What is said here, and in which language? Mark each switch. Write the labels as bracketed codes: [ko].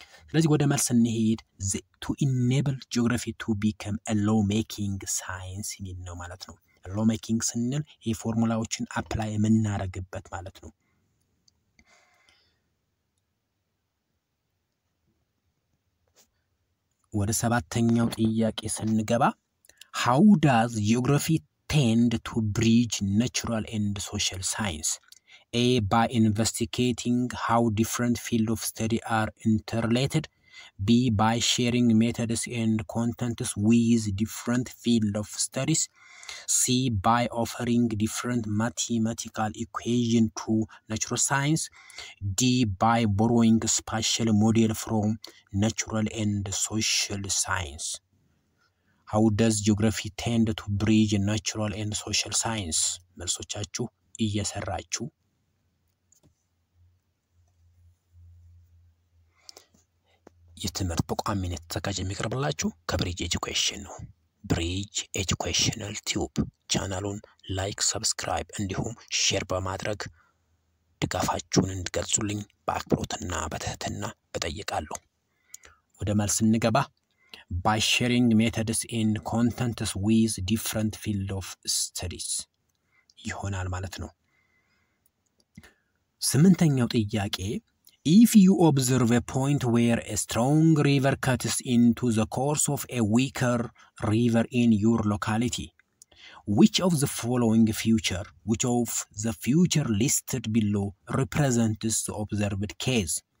[am] ስለዚህ ወደ መልስ እንሄድ። [en] ቱ ኢኔብል ጂኦግራፊ ቱ ቢከም አ ሎው ሜኪንግ ሳይንስ [am] የሚል ነው ማለት ነው። ሎው ሜኪንግ ስንል ይሄ ፎርሙላዎችን አፕላይ የምናደርግበት ማለት ነው። ወደ ሰባተኛው ጥያቄ ስንገባ [en] how does geography tend to bridge natural and social science? A, by investigating how different fields of study are interrelated. B, by sharing methods and contents with different fields of studies. C, by offering different mathematical equations to natural science. D, by borrowing spatial models from natural and social science. How does geography tend to bridge natural and social science? [am] መልሶቻችሁ እየሰራችሁ የትምህርት ተቋማት ተካጅ የሚቀርብላችሁ ከብሪጅ ኤጁኬሽን ነው። ብሪጅ ኤጁኬሽናል ቲዩብ ቻናሉን ላይክ ሰብስክራይብ እንዲሁም ሼር በማድረግ ድጋፋችሁን እንድገልጹልኝ በአክብሮትና በትህትና እጠይቃለሁ። ወደ መልስ እንገባ። [en] By sharing methods and contents with different fields of studies. [am] ይሆናል ማለት ነው። ስምንተኛው ጥያቄ [en] If you observe a point where a strong river cuts into the course of a weaker river in your locality, which of the following future, which of the future listed below represents the observed case?